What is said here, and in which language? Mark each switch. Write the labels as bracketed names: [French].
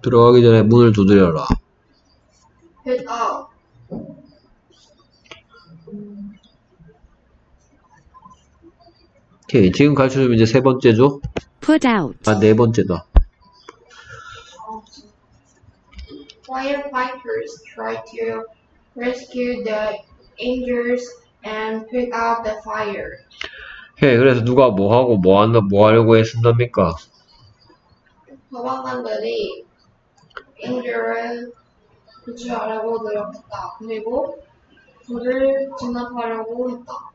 [Korean] 들어가기 전에 문을 두드려라. [English] Put off. [Korean] 오케이, 지금 가르쳐주면 이제 세 번째죠? [English] Put out. [Korean] 아, 네 번째다. [English] Firefighters try to rescue the injured and put out the fire. [Korean] 오케이, 그래서 누가 뭐 하고 뭐 한다 뭐 하려고 했습니까? 소방관들이 injured 구출하려고 노력했다. 그리고 불을 진압하려고 했다.